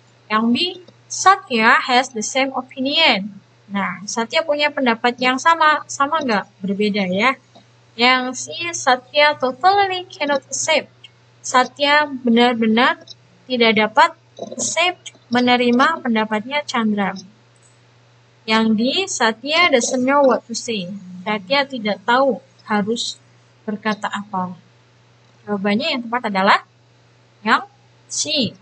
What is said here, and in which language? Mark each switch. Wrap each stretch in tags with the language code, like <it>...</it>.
<en>Yang B, Satya has the same opinion.</en> <id>Nah, Satya punya pendapat yang sama, sama enggak? Berbeda ya.</id> <en>Yang C, Satya totally cannot accept.</en> <id>Satya benar-benar tidak dapat accept menerima pendapatnya Chandra.</id> <en>Yang D, Satya doesn't know what to say.</en> <id>Satya tidak tahu harus berkata apa. Jawabannya yang tepat adalah yang C.</id>